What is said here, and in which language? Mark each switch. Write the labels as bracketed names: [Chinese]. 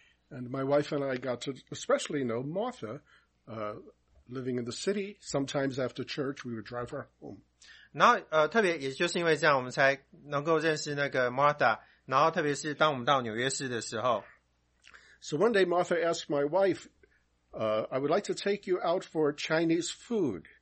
[English] And my wife and I got to especially know Martha, living in the city. Sometimes after church, we would drive her home. [Chinese] 然后，特别也就是因为这样，我们才能够认识那个 Martha. 然后，特别是当我们到纽约市的时候。 [English] So one day, Martha asked my wife, "I would like to take you out for Chinese food.